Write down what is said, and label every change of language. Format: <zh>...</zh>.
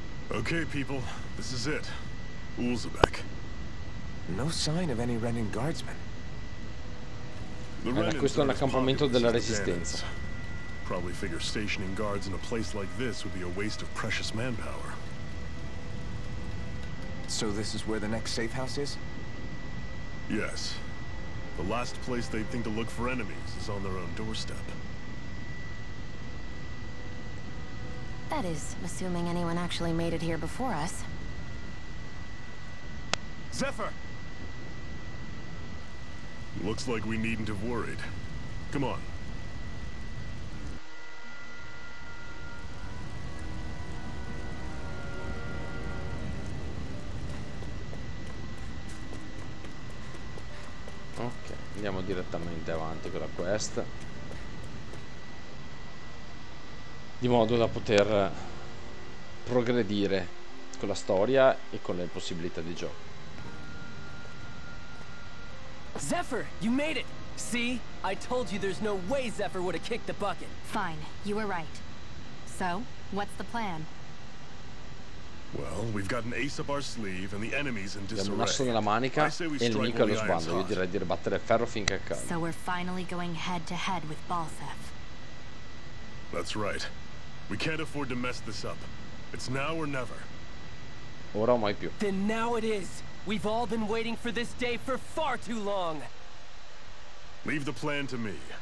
<en>Okay, people, this is it. Ulzebek. No sign of any Renin guardsmen.</en> <it>Questo è un accampamento della resistenza.</it> <en>Probably figure stationing guards in a place like this would be a waste of precious manpower. So this is where the next safe house is? Yes. The last place they'd think to look for enemies is on their own doorstep. That is, assuming anyone actually made it here before us. Zephyr! Looks like we needn't have worried. Come on.</en> <it>Ok, andiamo direttamente avanti con la quest. Di modo da poter progredire con la storia e con le possibilità di gioco.</it> <en>Zephyr, you made it! See? I told you there's no way Zephyr would have kicked the bucket. Fine, you were right. So, what's the plan? Well, we've got an ace up our sleeve and the enemy's in disarray.</en> <it>Abbiamo un asso nella manica e il nemico allo sbando. Io direi di ribattere il ferro finché è caldo.</it> <en>So we're finally going head to head with Balseth. That's right. We can't afford to mess this up. It's now or never.</en> <it>Ora o mai più.</it> <en>Then now it is. We've all been waiting for this day for far too long. Leave the plan to me.</en>